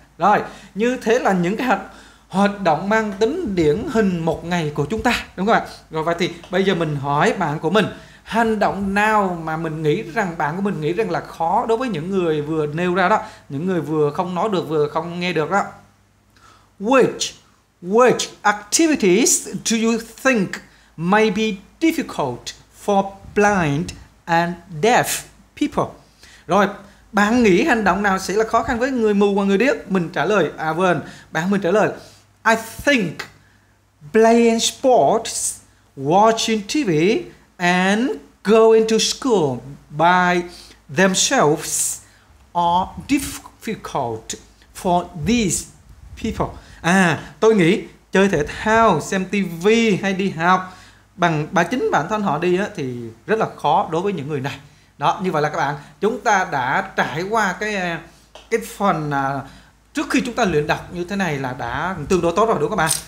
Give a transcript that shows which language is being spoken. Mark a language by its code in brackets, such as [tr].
[vi] Rồi như thế là những cái hoạt động mang tính điển hình một ngày của chúng ta đúng không ạ. Rồi vậy thì bây giờ mình hỏi bạn của mình, hành động nào mà mình nghĩ rằng bạn của mình nghĩ rằng là khó đối với những người vừa nêu ra đó, những người vừa không nói được, vừa không nghe được đó. [en] Which activities do you think may be difficult for blind and deaf people? [vi] Rồi, bạn nghĩ hành động nào sẽ là khó khăn với người mù và người điếc? Bạn mình trả lời, [en] I think playing sports, watching TV, and going to school by themselves are difficult for these people. [vi] À, tôi nghĩ chơi thể thao, xem TV hay đi học bằng bà chính bản thân họ đi á, thì rất là khó đối với những người này. Đó, như vậy là các bạn, chúng ta đã trải qua cái phần trước khi chúng ta luyện đọc như thế này là đã tương đối tốt rồi đúng không các bạn?